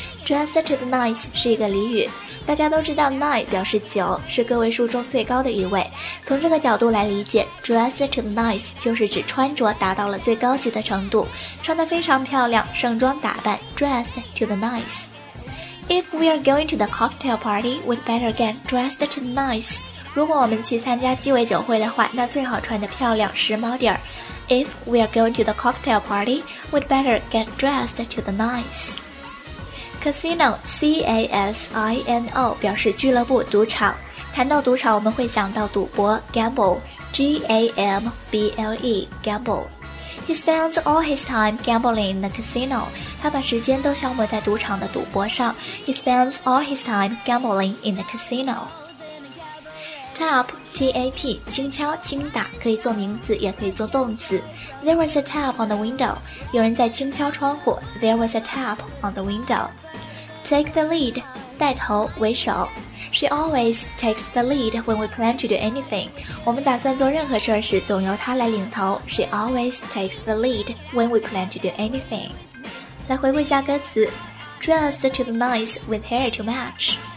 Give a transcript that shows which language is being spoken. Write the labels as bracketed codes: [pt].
[zh] Dressed to the nines 是一个俚语，大家都知道 nine 表示九，是个位数中最高的一位。从这个角度来理解 ，dressed to the nines 就是指穿着达到了最高级的程度，穿得非常漂亮，盛装打扮 ，dressed to the nines。 [en] If we are going to the cocktail party, we'd better get dressed to the nines。 [zh] 如果我们去参加鸡尾酒会的话，那最好穿得漂亮，时髦点儿。 [en] If we are going to the cocktail party, we'd better get dressed to the nines. [zh] Casino, C-A-S-I-N-O, 表示俱乐部、赌场。谈到赌场，我们会想到赌博 ,gamble, G-A-M-B-L-E, gamble. [en] He spends all his time gambling in the casino. [zh] 他把时间都消磨在赌场的赌博上。 [en] He spends all his time gambling in the casino. [zh] Tap, T-A-P, 轻敲轻打，可以做名词，也可以做动词。 [en] There was a tap on the window. [zh] 有人在轻敲窗户。 [en] There was a tap on the window. [zh] Take the lead, 带头为首。 [en] She always takes the lead when we plan to do anything. [zh] 我们打算做任何事时，总由她来领头。 [en] She always takes the lead when we plan to do anything. [zh] 来回顾一下歌词。 [en] Dressed to the nines with hair to match.